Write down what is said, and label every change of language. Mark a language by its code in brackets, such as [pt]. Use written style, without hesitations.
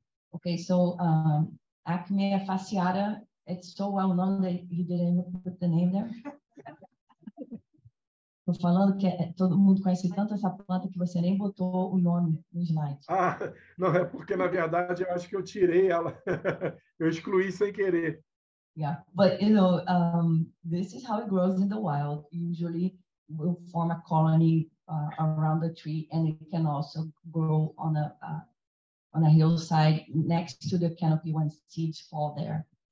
[en] Ok, so Acmea fasciata, it's so well known that he didn't put the name there. [pt] Estou falando que todo mundo conhece tanto essa planta que você nem botou o nome no slide. Ah, não, é porque, na verdade, eu acho que eu tirei ela. Eu excluí sem querer. [en] Yeah, but, you know, this is how it grows in the wild. Usually, will form a colony around the tree, and it can also grow on a hillside next to the canopy when seeds fall there.